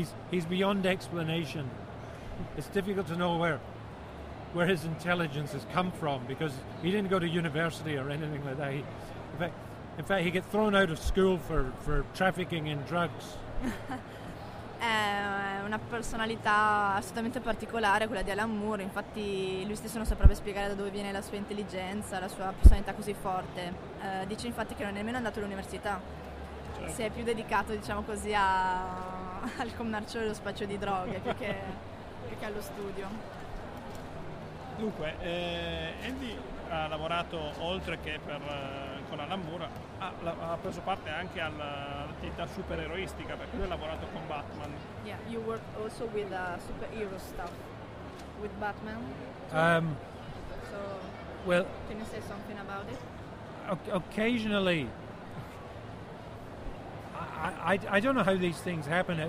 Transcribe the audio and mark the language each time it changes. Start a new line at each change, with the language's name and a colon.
English: He's beyond explanation. It's difficult to know where his intelligence has come from, because he didn't go to university or anything like that. In fact, he got thrown out of school for trafficking in drugs.
Italian: È una personalità assolutamente particolare quella di Alan Moore, infatti lui stesso non saprebbe spiegare da dove viene la sua intelligenza, la sua personalità così forte. Dice infatti che non è nemmeno andato all'università, certo. Si è più dedicato, diciamo così, al commercio e allo spaccio di droghe più che allo studio. Dunque, Andy ha lavorato oltre che con Alan Moore, ha preso parte anche all'attività supereroistica, perché lui ha lavorato con Batman.
English: Yeah, you work also with superhero stuff, with Batman. So, well, can you say something about it? Occasionally, I don't know how these things happen.